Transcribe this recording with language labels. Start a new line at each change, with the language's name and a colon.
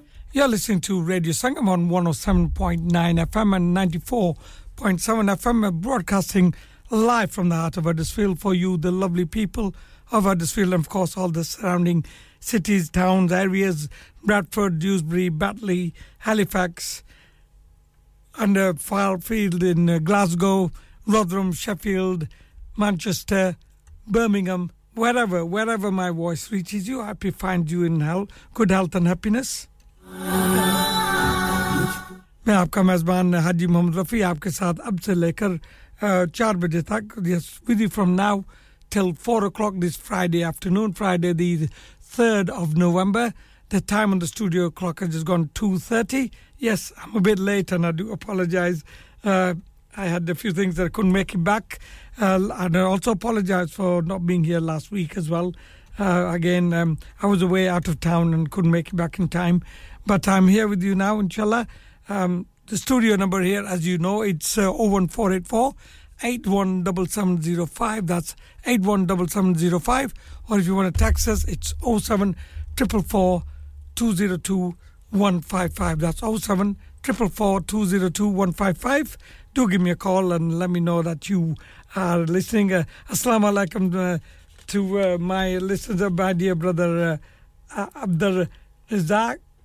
English: You're listening to Radio Sangam on 107.9 FM and 94.7 FM, broadcasting live from the heart of Huddersfield for you, the lovely people of Huddersfield, and of course all the surrounding cities, towns, areas, Bradford, Dewsbury, Batley, Halifax, and Firefield in Glasgow, Rotherham, Sheffield, Manchester, Birmingham, wherever my voice reaches you, happy find you in health, good health and happiness.
Urdu: میں آپ کا میزبان حاجی محمد رفیع آپ کے ساتھ اب سے لے کر چار بجے تک
English: Yes with you from now till four o'clock this Friday afternoon Friday the third of November the time on the studio clock has gone 2:30 yes I am a bit late and I do apologise I had a few things I couldn't make it back and I also apologise for not being here last week as well again I was away out of town and couldn't make it back in time but I am here with you now ان شاء اللہ the studio number here, as you know, it's 01484-817705. That's 817705. Or if you want to text us, it's 07444-202-155. That's 07444-202-155. Do give me a call and let me know that you are listening. Assalamu alaikum to my listeners, my dear brother Abdul Razak.